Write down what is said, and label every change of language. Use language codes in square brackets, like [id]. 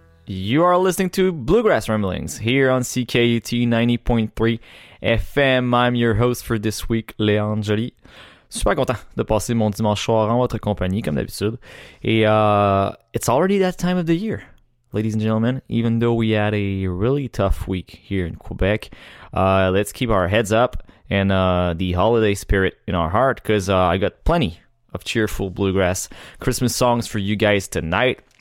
[en] You are listening to Bluegrass Ramblings here on CKUT 90.3 FM. I'm your host for this week, Léon Joly. [fr] Super content de passer mon dimanche soir en votre compagnie, comme d'habitude. [en] Et it's already that time of the year, ladies and gentlemen. Even though we had a really tough week here in Quebec, let's keep our heads up and the holiday spirit in our heart, because I got plenty of cheerful bluegrass Christmas songs for you guys tonight.